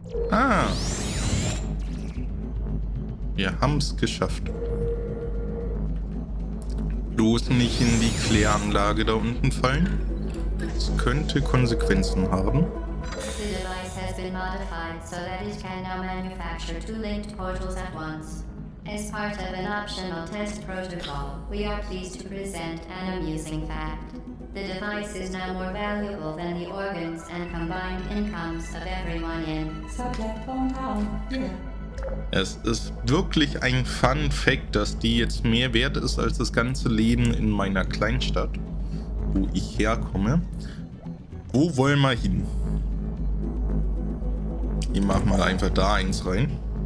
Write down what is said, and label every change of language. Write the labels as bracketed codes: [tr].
[de] Ah, wir haben es geschafft. Bloß nicht in die Kläranlage da unten fallen. Das könnte Konsequenzen haben. [en] The device has been modified so that it can now manufacture two linked portals at once. As part of an optional test protocol, we are pleased to present an amusing fact. The device is now more valuable than the organs and combined incomes of everyone in. Subject phone call. [de] Es ist wirklich ein Fun Fact, dass die jetzt mehr wert ist als das ganze Leben in meiner Kleinstadt, wo ich herkomme. Wo wollen wir hin? Ich mach mal einfach da eins rein.